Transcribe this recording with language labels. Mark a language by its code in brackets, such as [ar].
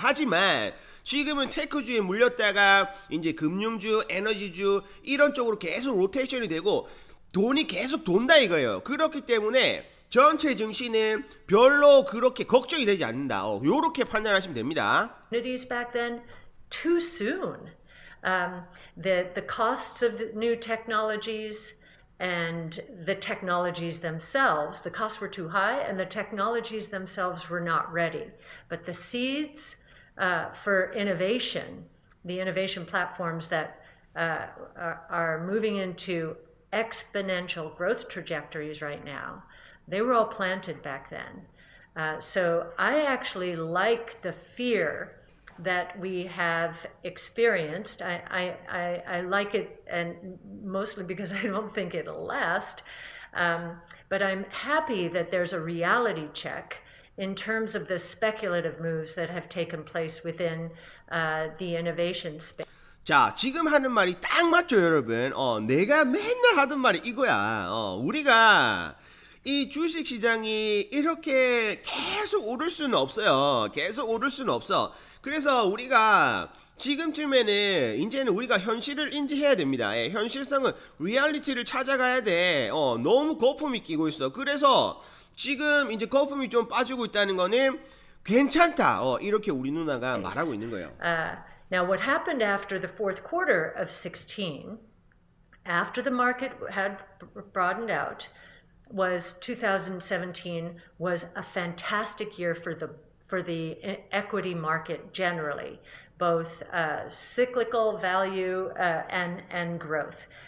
[ko] 하지만 지금은 테크주에 물렸다가 이제 금융주, 에너지주 이런 쪽으로 계속 로테이션이 되고 돈이 계속 돈다 이거예요. 그렇기 때문에 전체 증시는 별로 그렇게 걱정이 되지 않는다. 요렇게 판단하시면 됩니다. [en] Opportunities back then too soon. The costs of the new technologies and the technologies themselves, the costs were too high and the technologies themselves were not ready. But the seeds for innovation, the innovation platforms that are moving into exponential growth trajectories right now, they were all planted back then. So I actually like the fear that we have experienced. I like it, and mostly because I don't think it'll last. But I'm happy that there's a reality check in terms of the speculative moves that have taken place within the innovation space. [ko] 자, 지금 하는 말이 딱 맞죠, 여러분. 내가 맨날 하던 말이 이거야. 우리가 이 주식시장이 이렇게 계속 오를 수는 없어요. 계속 오를 수는 없어. 그래서 우리가 지금쯤에는 이제는 우리가 현실을 인지해야 됩니다. 예, 현실성은 리얼리티를 찾아가야 돼. 너무 거품이 끼고 있어. 그래서 지금 이제 거품이 좀 빠지고 있다는 거는 괜찮다. 이렇게 우리 누나가 [en] Thanks. [ko] 말하고 있는 거예요. [en] Now what happened after the fourth quarter of 16, after the market had broadened out, was 2017 was a fantastic year for the equity market generally, both cyclical value and growth.